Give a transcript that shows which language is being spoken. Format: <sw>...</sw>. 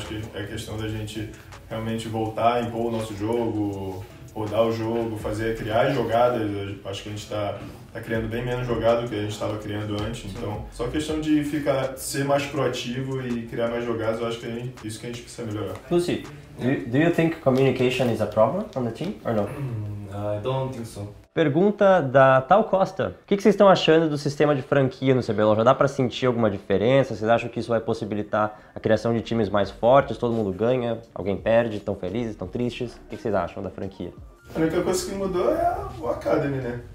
<pt>Acho que é questão da gente realmente voltar, impor o nosso jogo, rodar o jogo, fazer, criar jogadas. Acho que a gente tá criando bem menos jogado do que a gente estava criando antes. Sim. Então, só questão de ficar, ser mais proativo e criar mais jogadas, eu acho que é isso que a gente precisa melhorar.</pt> <en>Lucy, do you think communication is a problem on the team or no? I don't think so.</en> <pt>Pergunta da Tal Costa. O que vocês estão achando do sistema de franquia no CBLOL? Já dá pra sentir alguma diferença? Vocês acham que isso vai possibilitar a criação de times mais fortes? Todo mundo ganha? Alguém perde? Estão felizes? Estão tristes? O que vocês acham da franquia? A única coisa que mudou é o Academy, né?</pt>